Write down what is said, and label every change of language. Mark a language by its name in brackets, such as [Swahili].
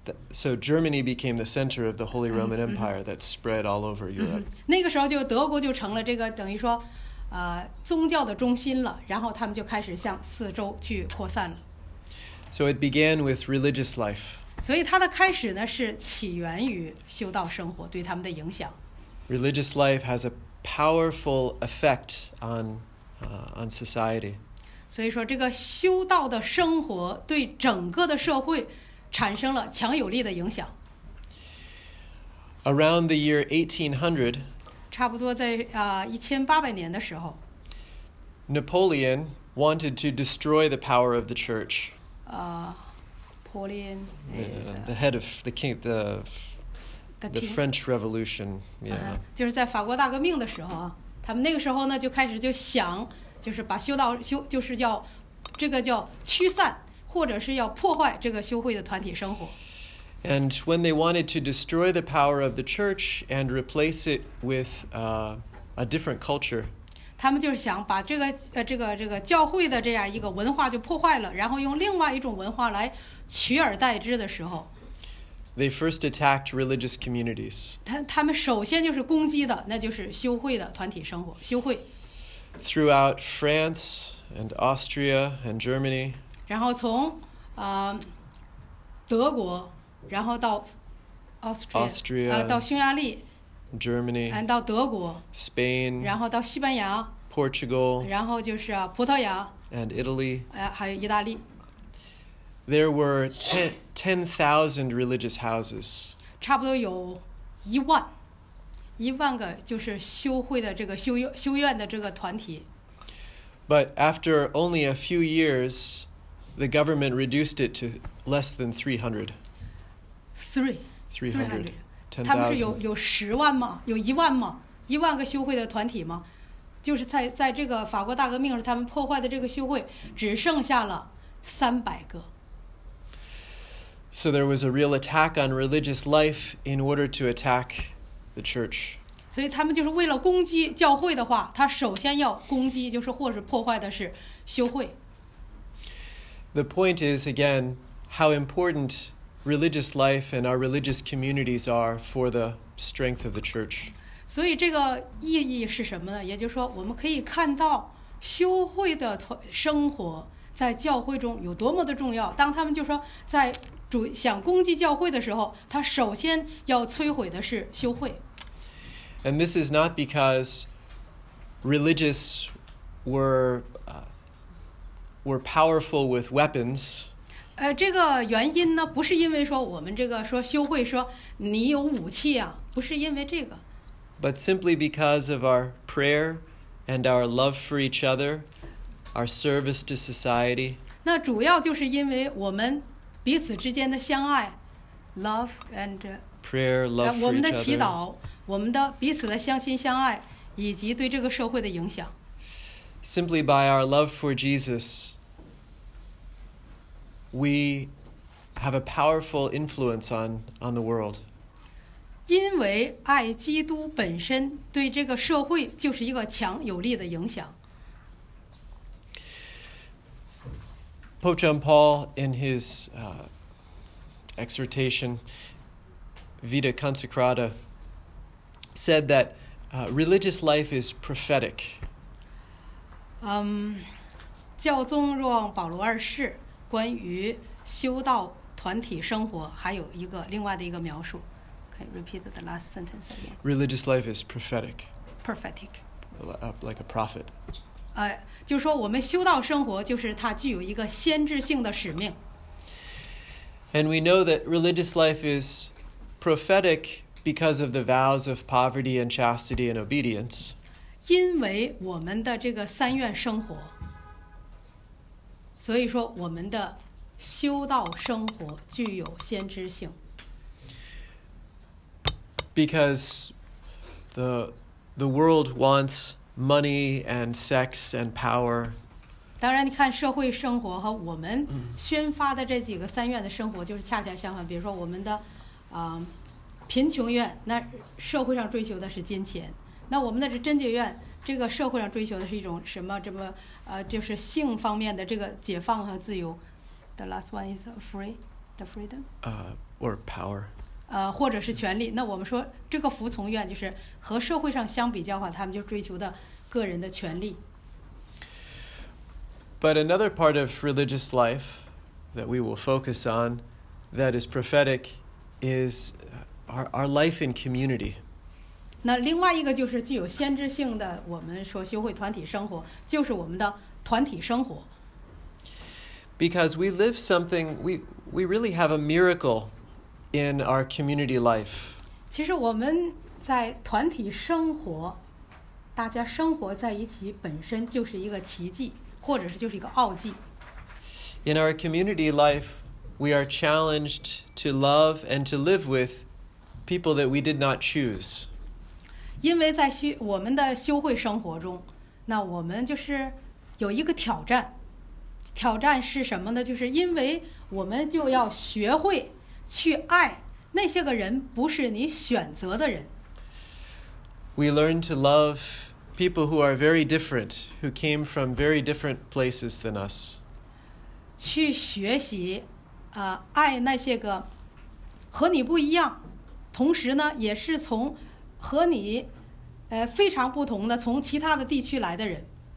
[English] So Germany became the center of the Holy Roman Empire that spread all over Europe. [Chinese] 那个时候就德国就成了这个等于说，宗教的中心了。然后他们就开始向四周去扩散了。 [English] So it began with religious life. [Chinese] 所以它的开始呢是起源于修道生活对他们的影响。 [English] Religious life has a powerful effect on society. [Chinese] 所以说这个修道的生活对整个的社会产生了强有力的影响。 [English] Around the year 1800, [Chinese] 差不多在1800年的时候， [English] Napoleon wanted to destroy the power of the church. Napoleon, the head of the king, the French Revolution. Yeah, [Chinese] 就是在法国大革命的时候啊，他们那个时候呢就开始就想，就是把修道就是要这个叫驱散，或者是要破坏这个修会的团体生活。 [English] And when they wanted to destroy the power of the church and replace it with a different culture. [Chinese] 他们就是想把这个教会的这样一个文化就破坏了，然后用另外一种文化来取而代之的时候。 [English] They first attacked religious communities. [Chinese] 他们首先就是攻击的，那就是修会的团体生活，修会。 [English] Throughout France and Austria and Germany. [Chinese] 然后从德国，然后到 Austria 到匈牙利。 [English] Germany, and [Chinese] 到德国 [English] Spain, [Chinese] 然后到西班牙 [English] Portugal, [Chinese] 然后就是葡萄牙 [English] and Italy, [Chinese] 还有意大利 [English] There were 10,000 religious houses. [Chinese] 差不多有一万个就是修会的这个修院的这个团体 [English] But after only a few years, the government reduced it to less than 300. So there was a real attack on religious life in order to attack the church. [Chinese] 所以他们就是为了攻击教会的话，他首先要攻击，就是或是破坏的是修会。 [English] The point is again how important religious life and our religious communities are for the strength of the church. [Chinese] 所以这个意义是什么呢？也就是说，我们可以看到修会的生活在教会中有多么的重要。当他们就说在主想攻击教会的时候，他首先要摧毁的是修会。 [English] And this is not because religious were powerful with weapons. [Chinese] 这个原因呢，不是因为说我们这个说修会说你有武器啊，不是因为这个。 [English] But simply because of our prayer and our love for each other, our service to society. [Chinese] 那主要就是因为我们彼此之间的相爱 ， [English] love and prayer, love for each other. [Chinese] 我们的祈祷。我们的彼此的相亲相爱，以及对这个社会的影响。 [English] Simply by our love for Jesus, we have a powerful influence on the world. [Chinese] 因为爱基督本身对这个社会就是一个强有力的影响。 [English] Pope John Paul, in his exhortation, Vita Consecrata, said that religious life is prophetic. [Chinese] 教宗若望保罗二世关于修道团体生活还有一个另外的一个描述。 [English] Can you repeat the last sentence again? Religious life is prophetic. Prophetic. Like a prophet. [Chinese] 就说我们修道生活就是它具有一个先知性的使命。 [English] And we know that religious life is prophetic because of the vows of poverty and chastity and obedience. [Chinese] 因为我们的这个三愿生活，所以说我们的修道生活具有先知性。 [English] Because the world wants money and sex and power. [Chinese] 当然你看社会生活和我们宣发的这几个三愿的生活就是恰恰相反，比如说我们的贫穷愿，那社会上追求的是金钱；那我们的是贞洁愿，这个社会上追求的是一种什么？这么就是性方面的这个解放和自由。 [English] The last one is free, the freedom. Or power. [Chinese] 或者是权利。那我们说这个服从愿，就是和社会上相比较的话，他们就追求的个人的权利。 [English] But another part of religious life that we will focus on, that is prophetic, is our life in community. [Chinese] 那另外一个就是具有先知性的，我们说修会团体生活，就是我们的团体生活。 [English] Because we live something, we really have a miracle in our community life. [Chinese] 其实我们在团体生活，大家生活在一起本身就是一个奇迹，或者是就是一个奥迹。 [English] In our community life, we are challenged to love and to live with people that we did not choose. [Chinese] 因为在我们的修会生活中，那我们就是有一个挑战。挑战是什么呢？就是因为我们就要学会去爱那些个人不是你选择的人。 [English] We learn to love people who are very different, who came from very different places than us. [Chinese] 去学习，爱那些个和你不一样。同时呢，也是从和你非常不同的，从其他的地区来的人。